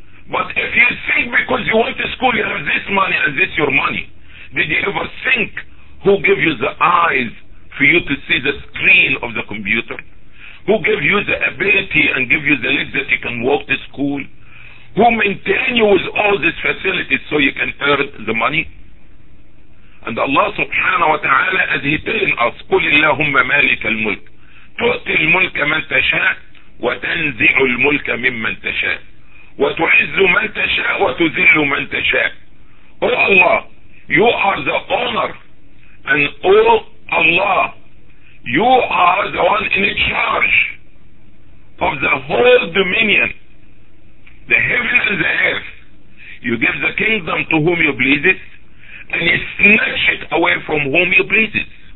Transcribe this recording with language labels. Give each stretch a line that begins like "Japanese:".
English: But if you think because you went to school you have this money and this your money, did you ever think who gave you the eyes for you to see the screen of the computer? Who gave you the ability and give you the legs that you can walk to school? Who maintain you with all these facilities so you can earn the money? And Allah subhanahu wa ta'ala, as He telling us,
Arabic: قُلِ اللَّهُمَّ مَالِكَ الْمُلْكِ تُؤْتِي الْمُلْكَ مَنْ تَشَاءُ وَتَنْزِعُ الْمُلْكَ مِمَّنْ تَشَاءُ وَتُعِزُّ مَنْ تَشَاءُ وَتُذِلُّ مَنْ تَشَاءُ.
English: Oh Allah, you are the owner, and oh Allah, you are the one in charge of the whole dominion, the heaven and the earth. You give the kingdom to whom you please it, and you snatch it away from whom you please it.